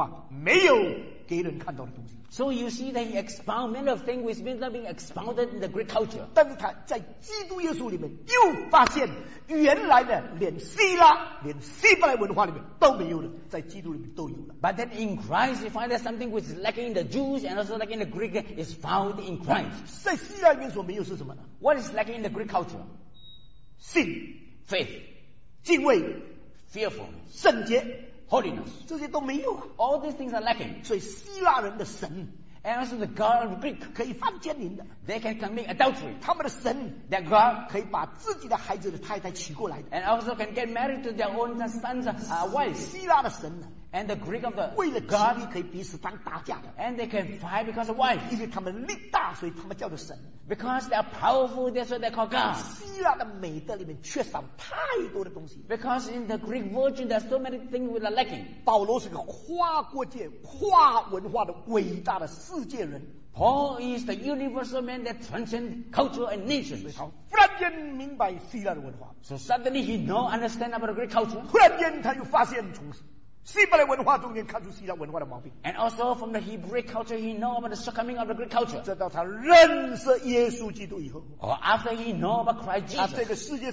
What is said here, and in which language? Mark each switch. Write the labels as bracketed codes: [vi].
[zh] 所以你在他的书信里面看见他点出了许多希腊文化没有给人看到的东西, [en] so you see that he expounded many of things which means not being expounded in the Greek culture. [zh] 但是他在基督耶稣里面又发现原来的连希腊连希伯来文化里面都没有的在基督里面都有了, [en] but then in Christ you find that something which is lacking in the Jews and also lacking in the Greek is found in Christ. [zh] 在希腊里面所没有是什么呢? [en] What is lacking in the Greek culture? [zh] 信, [en] faith, [zh] 敬畏, [en] fearful, [zh] 圣洁, [en] holiness, [zh] 这些都没有, [en] all these things are lacking. [zh] 所以希腊人的神, [en] and also the God of Greek, [zh] 可以犯奸淫的, [en] they can commit adultery. [zh] 他们的神, [en] their God, [zh] 可以把自己的孩子的太太娶过来的, [en] and also can get married to their own sons, wives. [zh] 希腊的神, [en] and the Greek of the [zh] God, 可以彼此当打架的, [en] and they can fight because of wives. [zh] 因为他们力大, 所以他们叫做神, [en] because they are powerful, that's what they call God. [zh] 希腊的美德里面缺少太多的东西, [en] because in the Greek virtue there are so many things we are lacking. [zh] 保罗是个跨国界跨文化的伟大的世界人, [en] Paul is the universal man that transcends culture and nations. [zh] 所以他忽然间明白希腊的文化, [en] so suddenly he knows, understands about the Greek culture. [zh] 忽然间他又发现从 希伯来文化中间看出希腊文化的毛病, [en] and also from the Hebrew culture he know about the shortcoming of the Greek culture. [zh] 直到他认识耶稣基督以后, [en] or after he know about Christ Jesus,